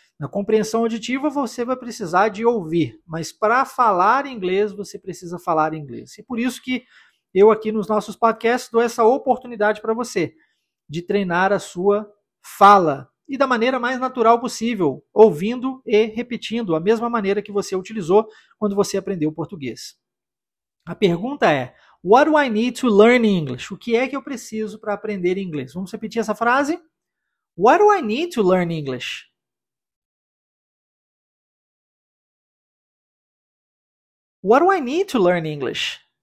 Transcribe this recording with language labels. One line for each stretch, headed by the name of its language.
Portuguese: Na compreensão auditiva você vai precisar de ouvir, mas para falar inglês você precisa falar inglês. E por isso que eu aqui nos nossos podcasts dou essa oportunidade para você de treinar a sua fala e da maneira mais natural possível, ouvindo e repetindo, a mesma maneira que você utilizou quando você aprendeu português. A pergunta é:
English: what do I need to learn English?
Portuguese: O que é que eu preciso para aprender inglês? Vamos repetir essa frase?
English: What do I need to learn English? What do I need to learn English?